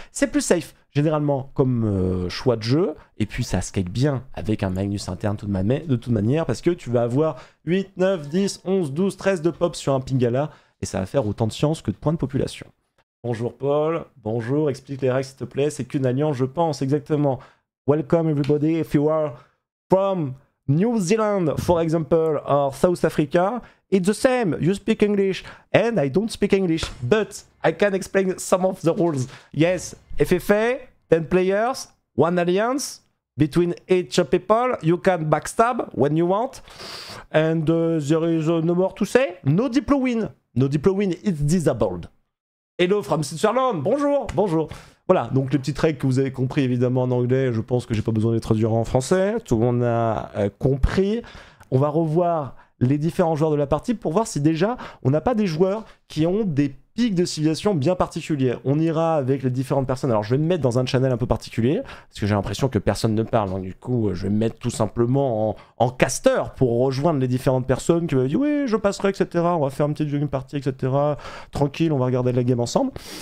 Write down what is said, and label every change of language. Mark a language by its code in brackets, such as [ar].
[fr] C'est plus safe, généralement, comme choix de jeu. Et puis, ça scale bien avec un Magnus interne de toute manière, parce que tu vas avoir 8, 9, 10, 11, 12, 13 de pop sur un Pingala et ça va faire autant de science que de points de population. Bonjour Paul, bonjour, explique les règles s'il te plaît, c'est qu'une alliance je pense, exactement. [en] Welcome everybody, if you are from New Zealand, for example, or South Africa, it's the same, you speak English, and I don't speak English, but I can explain some of the rules. Yes, FFA, 10 players, one alliance, between each people, you can backstab when you want, and there is no more to say, no diplo win, no diplo win, it's disabled. Hello from Switzerland, [fr] bonjour, bonjour. Voilà, donc les petites règles que vous avez compris évidemment en anglais, je pense que j'ai pas besoin de les traduire en français, tout le monde a compris. On va revoir les différents joueurs de la partie pour voir si déjà on n'a pas des joueurs qui ont des pics de civilisation bien particuliers. On ira avec les différentes personnes, alors je vais me mettre dans un channel un peu particulier, parce que j'ai l'impression que personne ne parle, donc du coup je vais me mettre tout simplement en caster pour rejoindre les différentes personnes qui m'ont dit oui je passerai etc, on va faire un petit jeu une partie etc, tranquille on va regarder la game ensemble.